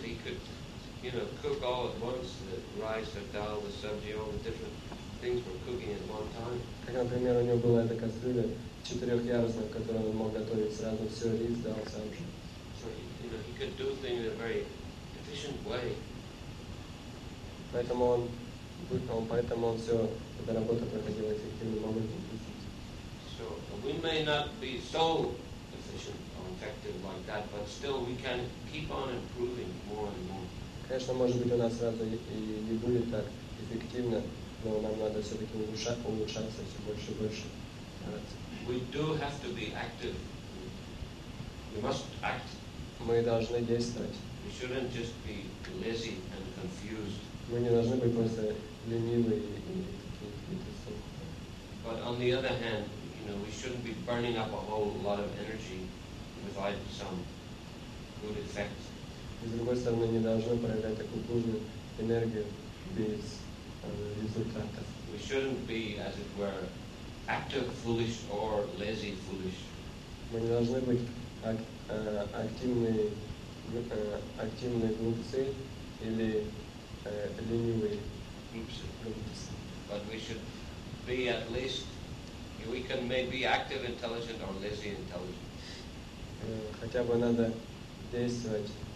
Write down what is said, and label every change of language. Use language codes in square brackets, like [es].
[en] He could, cook all at once, the rice, the dal, the sabji, all the different things were cooking at one time. [ru] Как, например, у него была эта кастрюля четырехъярусная, в которой он мог готовить сразу все рис, дал, сабжи. [en] He could do things in a very efficient way. [ru] Поэтому он все эта работа проходила эффективным образом. [en] So we may not be so efficient or effective like that, but still we can keep on improving more and more. [ru] Конечно, может быть у нас сразу и не будет так эффективно, но нам надо все-таки улучшаться все больше и больше. [en] We do have to be active. We must act. [ru] Мы должны действовать. [en] We shouldn't just be lazy and confused. [ru] Мы не должны быть просто ленивы и [en] But on the other hand, we shouldn't be burning up a whole lot of energy without some good effect. [ru] С другой стороны, не должны проявлять такую бурную энергию без результатов. [en] We shouldn't be, as it were, active foolish or lazy foolish. [ru] Мы не должны быть активные глупцы или ленивые глупцы. [en] But we should be at least we can maybe active intelligent or lazy intelligent. [ru] Хотя бы надо действовать